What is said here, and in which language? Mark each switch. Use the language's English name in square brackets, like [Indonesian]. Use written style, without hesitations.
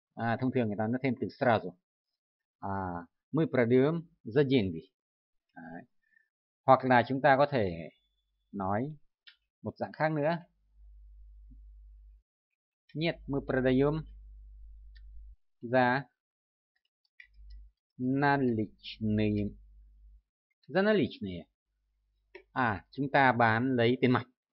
[Vietnamese] À, thông thường người ta nói thêm từ сразу. [Russian] À, мы продаем за деньги. [Vietnamese] À, hoặc là chúng ta có thể nói một dạng khác nữa. [Russian] Нет, мы продаем за наличные. За наличные. [Vietnamese] À, chúng ta bán lấy tiền mặt.